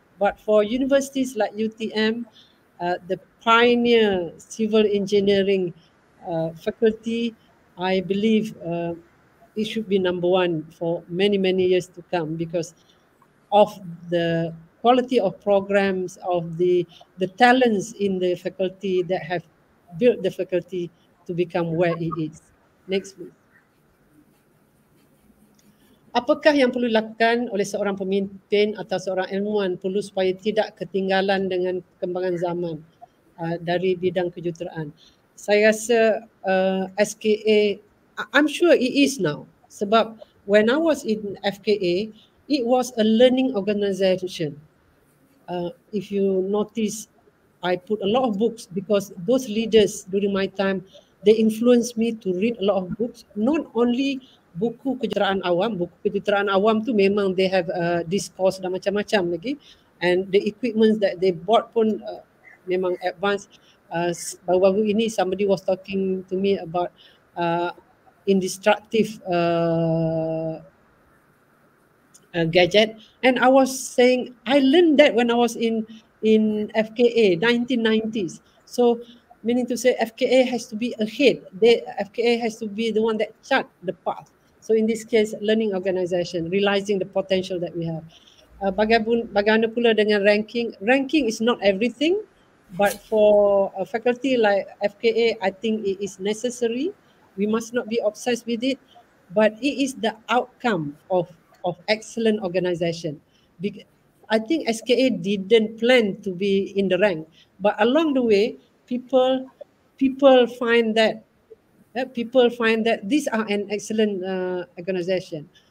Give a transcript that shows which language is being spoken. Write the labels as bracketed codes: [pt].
[en] But for universities like UTM, the pioneer civil engineering faculty, I believe it should be number one for many, many years to come because of the quality of programs, of the talents in the faculty that have built the faculty to become where it is. Next, please. [ms] Apakah yang perlu dilakukan oleh seorang pemimpin atau seorang ilmuwan perlu supaya tidak ketinggalan dengan perkembangan zaman dari bidang kejuruteraan? Saya rasa [en] SKA, I'm sure it is now. [ms] Sebab [en] when I was in FKA, it was a learning organisation. If you notice, I put a lot of books because those leaders during my time, they influenced me to read a lot of books. Not only [ms] buku kejuruteraan awam, buku kejuruteraan awam tu memang [en] they have discourse [ms] dan macam-macam lagi. [en] And the equipment that they bought [ms] pun memang [en] advanced. [ms] Baru-baru ini [en] somebody was talking to me about indestructible gadget. And I was saying, I learned that when I was in FKA, 1990s. So meaning to say FKA has to be ahead. FKA has to be the one that chart the path. So in this case, learning organisation, realising the potential that we have. [ms] Bagaimana pula dengan ranking? [en] Ranking is not everything, but for a faculty like FKA, I think it is necessary. We must not be obsessed with it, but it is the outcome of excellent organisation. I think SKA didn't plan to be in the rank, but along the way, people find that these are an excellent organization.